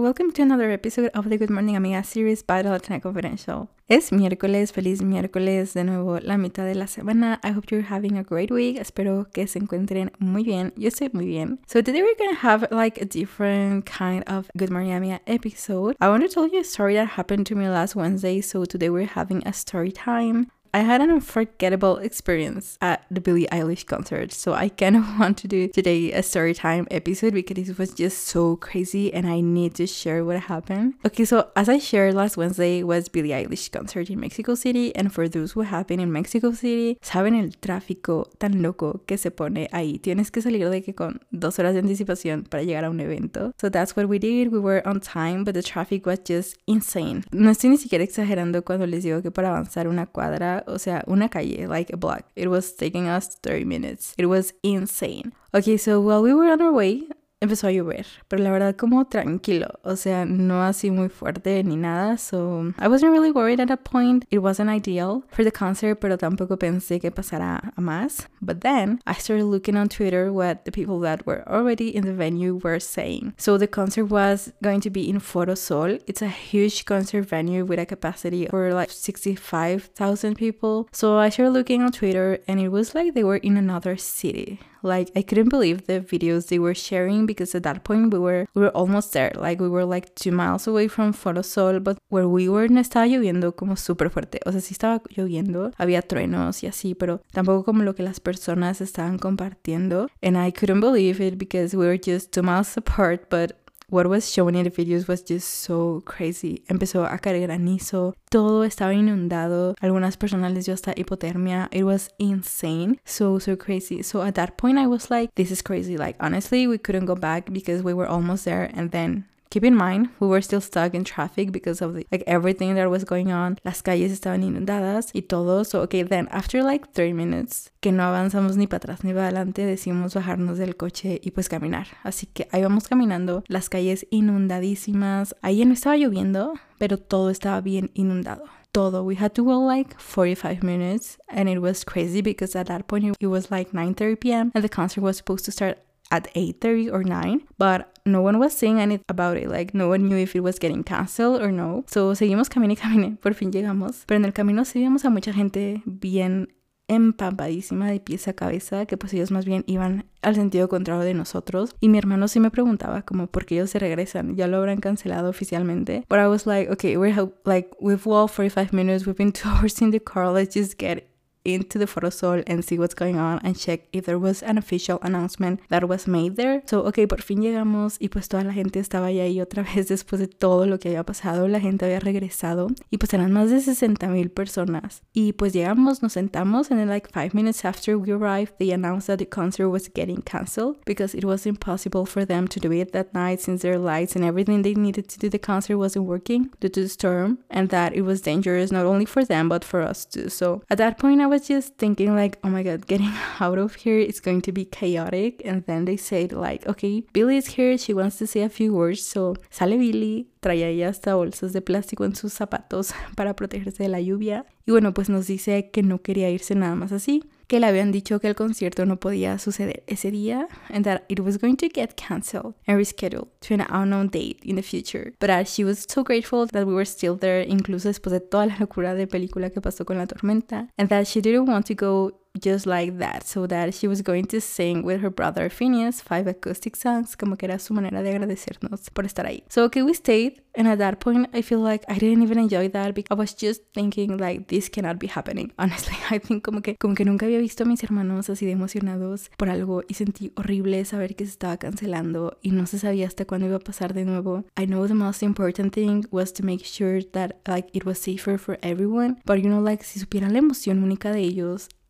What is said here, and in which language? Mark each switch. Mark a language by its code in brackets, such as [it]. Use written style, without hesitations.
[en] Welcome to another episode of the Good Morning Amiga series by the Latina Confidential. [es] Es miércoles, feliz miércoles, de nuevo la mitad de la semana. [en] I hope you're having a great week. [es] Espero que se encuentren muy bien. Yo estoy muy bien. [en] So today we're going to have like a different kind of Good Morning Amiga episode. I want to tell you a story that happened to me last Wednesday. So today we're having a story time. I had an unforgettable experience at the Billie Eilish concert, so I kind of want to do today a story time episode because it was just so crazy and I need to share what happened. Okay, so as I shared last Wednesday, was Billie Eilish concert in Mexico City, and for those who have been in Mexico City, [es] saben el tráfico tan loco que se pone ahí. Tienes que salir de que con 2 horas de anticipación para llegar a un evento. [en] So that's what we did. We were on time, but the traffic was just insane. [es] No estoy ni siquiera exagerando cuando les digo que para avanzar una cuadra, o sea, una calle, [en] like a block, it was taking us 30 minutes. It was insane. Okay, so while we were on our way, [es] empezó a llover, pero la verdad como tranquilo, o sea, no así muy fuerte ni nada, [en] so I wasn't really worried at that point. It wasn't ideal for the concert, [es] pero tampoco pensé que pasara a más. [en] But then I started looking on Twitter what the people that were already in the venue were saying. So the concert was going to be in Foro Sol. It's a huge concert venue with a capacity for like 65,000 people. So I started looking on Twitter and it was like they were in another city. Like, I couldn't believe the videos they were sharing because at that point we were almost there. Like, we were like 2 miles away from Foro Sol, but where we were [es] no estaba lloviendo como super fuerte. O sea, sí estaba lloviendo, había truenos y así, pero tampoco como lo que las personas estaban compartiendo. [en] And I couldn't believe it because we were just 2 miles apart, but what was shown in the videos was just so crazy. [es] Empezó a caer granizo. Todo estaba inundado. Algunas personas les dio hasta hipotermia. [en] It was insane. So, so crazy. So at that point, I was like, this is crazy. Like, honestly, we couldn't go back because we were almost there. And then, keep in mind, we were still stuck in traffic because of the, like, everything that was going on. [es] Las calles estaban inundadas y todo. [en] So, okay, then after like 3 minutes, [es] que no avanzamos ni para atrás ni para adelante, decidimos bajarnos del coche y pues caminar. Así que ahí vamos caminando, las calles inundadísimas. Ahí ya no estaba lloviendo, pero todo estaba bien inundado. Todo. [en] We had to go like 45 minutes and it was crazy because at that point it was like 9:30 p.m. and the concert was supposed to start at 8:30 or 9, but no one was saying anything about it. Like, no one knew if it was getting canceled or no. So, [es] seguimos camine y camine. Por fin llegamos. Pero en el camino sí vimos a mucha gente bien empapadísima de pies a cabeza, que pues ellos más bien iban al sentido contrario de nosotros. Y mi hermano sí me preguntaba como, ¿por qué ellos se regresan? ¿Ya lo habrán cancelado oficialmente? [en] But I was like, okay, we've walked 45 minutes. We've been 2 hours in the car. Let's just get into the Foro Sol and see what's going on and check if there was an official announcement that was made there. [es] So, okay, por fin llegamos y pues toda la gente estaba ahí otra vez después de todo lo que había pasado. La gente había regresado y pues eran más de 60,000 personas. Y pues llegamos, nos sentamos, [en] and then like 5 minutes after we arrived, they announced that the concert was getting canceled because it was impossible for them to do it that night since their lights and everything they needed to do the concert wasn't working due to the storm, and that it was dangerous not only for them but for us too. So at that point, I was just thinking like, oh my god, getting out of here is going to be chaotic. And then they said like, okay, Billy is here, she wants to say a few words. [es] So sale Billy, traía ella hasta bolsas de plástico en sus zapatos para protegerse de la lluvia. Y bueno, pues nos dice que no quería irse nada más así, que le habían dicho que el concierto no podía suceder ese día, [en] and that it was going to get cancelled and rescheduled to an unknown date in the future. But she was so grateful that we were still there, [es] incluso después de toda la locura de película que pasó con la tormenta, [en] and that she didn't want to go just like that, so that she was going to sing with her brother Phineas 5 acoustic songs, [es] como que era su manera de agradecernos por estar ahí. [en] So okay, we stayed, and at that point I feel like I didn't even enjoy that because I was just thinking like, this cannot be happening. Honestly, I think [es] como que nunca había visto a mis hermanos así de emocionados por algo, y sentí horrible saber que se estaba cancelando y no se sabía hasta cuándo iba a pasar de nuevo. [en] I know the most important thing was to make sure that like it was safer for everyone, but you know, like, [es] si supieran la emoción única de ellos.